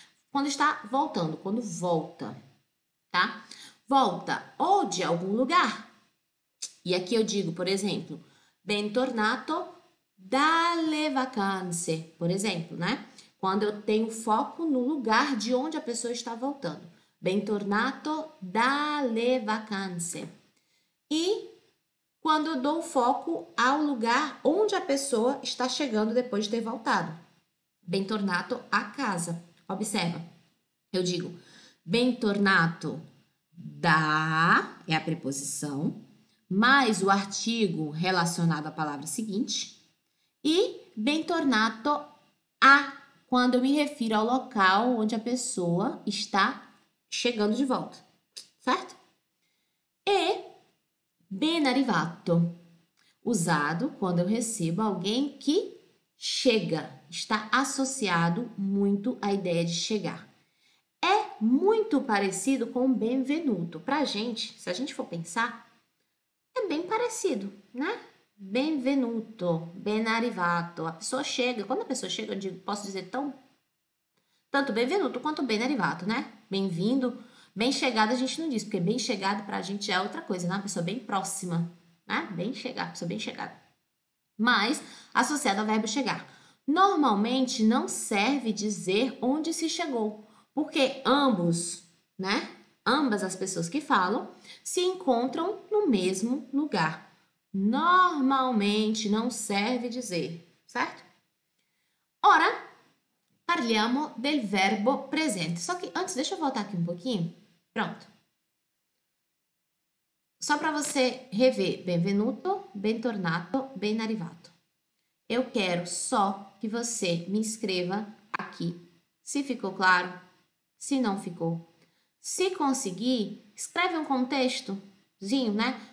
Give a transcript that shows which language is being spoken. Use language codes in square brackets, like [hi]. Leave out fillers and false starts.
[pt] Quando está voltando, quando volta, tá? Volta ou de algum lugar. E aqui eu digo, por exemplo, [it] bentornato dalle vacanze, [pt] por exemplo, né? Quando eu tenho foco no lugar de onde a pessoa está voltando. [it] Bentornato dalle vacanze. [pt] E quando eu dou foco ao lugar onde a pessoa está chegando depois de ter voltado. [it] Bentornato a casa. [pt] Observa, eu digo bentornato da, é a preposição. Mais o artigo relacionado à palavra seguinte, e bentornato a quando eu me refiro ao local onde a pessoa está chegando de volta, certo? E ben arrivato, usado quando eu recebo alguém que chega, está associado muito à ideia de chegar. É muito parecido com benvenuto. Para a gente, se a gente for pensar, é bem parecido, né? [it] Benvenuto, ben arrivato. [pt] A pessoa chega. Quando a pessoa chega, eu digo, posso dizer tanto benvenuto quanto ben arrivato, né? Bem-vindo, bem-chegado a gente não diz, porque bem-chegado para a gente é outra coisa, né? Uma pessoa bem próxima, né? Bem-chegar, pessoa bem-chegada. Mas associado ao verbo chegar. Normalmente não serve dizer onde se chegou, porque ambos, né? Ambas as pessoas que falam se encontram no mesmo lugar. Normalmente não serve dizer, certo? [it] Ora, parliamo del verbo presente. [pt] Só que antes, deixa eu voltar aqui um pouquinho. Pronto. Só para você rever: [it] benvenuto, bentornato, ben arrivato. [pt] Eu quero só que você me escreva aqui. Se ficou claro, se não ficou. Se conseguir, escreve um contextozinho, né?